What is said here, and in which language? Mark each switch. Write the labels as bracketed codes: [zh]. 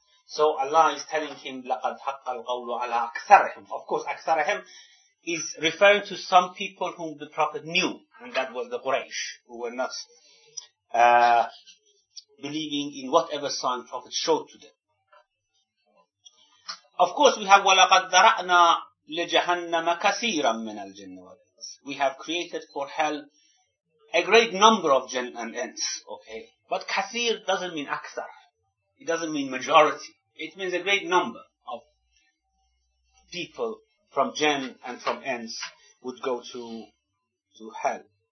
[en] So Allah is telling him, [ar] لَقَدْ حَقَّ الْقَوْلُ عَلَىٰ أَكْثَرِهِمْ. [en] Of course, أَكْثَرِهِمْ is referring to some people whom the Prophet knew, and that was the Quraysh, who were not believing in whatever sign Prophet showed to them. Of course, we have [ar] وَلَقَدْ ذَرَأْنَا لِجَهَنَّمَ كَثِيرًا مِنَ الْجِنَّ وَالْإِنسِ. [en] We have created for hell a great number of jinn and ins. Okay, but كثير doesn't mean أكثر. It doesn't mean majority. It means a great number of people from jinn and from ins would go to hell.